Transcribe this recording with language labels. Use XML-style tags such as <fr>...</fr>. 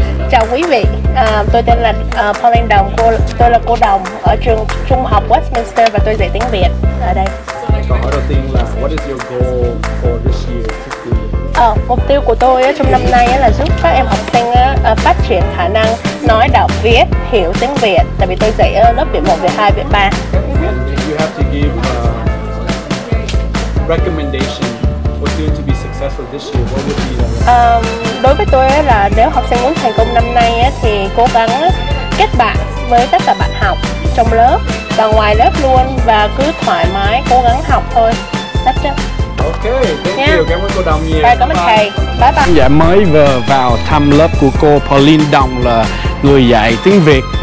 <vi>Chào quý vị, tôi tên là Pauline Đồng, tôi là cô Đồng ở trường trung học Westminster và tôi dạy tiếng Việt ở đây. Câu hỏi đầu tiên là,</vi> <en>what is your goal for this year?</en> <vi>Mục tiêu của tôi trong năm nay là giúp các em học sinh phát triển khả năng nói, đọc, viết, hiểu tiếng Việt, tại vì tôi dạy ở lớp viện 1, viện 2, viện 3.</vi> <en>And you have to give recommendation for students to be successful this year, what would be that?</en> <vi>Đối với tôi là nếu học sinh muốn thành công năm nay thì cố gắng kết bạn với tất cả bạn học trong lớp và ngoài lớp luôn, và cứ thoải mái cố gắng học thôi.</vi> <en>That's it. Ok, thank you.</en> <vi>Cảm ơn cô Đồng nhiều. Cảm ơn thầy. Bye bye. Khán giả mới vừa vào thăm lớp của cô Pauline Đồng, là người dạy tiếng Việt.</vi>